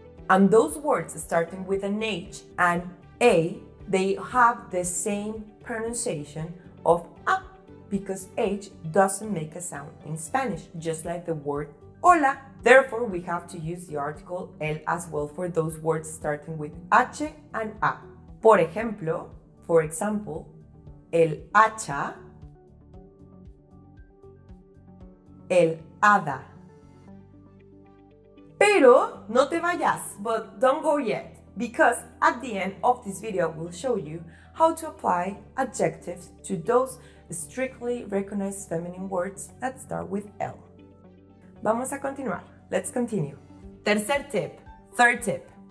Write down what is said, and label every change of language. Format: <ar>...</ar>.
<en>And those words starting with an H and A, they have the same pronunciation of A, because H doesn't make a sound in Spanish, just like the word hola. Therefore, we have to use the article el as well for those words starting with H and A.</en> <es>Por ejemplo,</es> <en>for example,</en> <es>el hacha, el hada. Pero no te vayas,</es> <en>but don't go yet, because at the end of this video, we'll show you how to apply adjectives to those strictly recognized feminine words that start with L.</en> <es>Vamos a continuar.</es> <en>Let's continue.</en> <es>Tercer tip.</es> <en>Third tip.</en>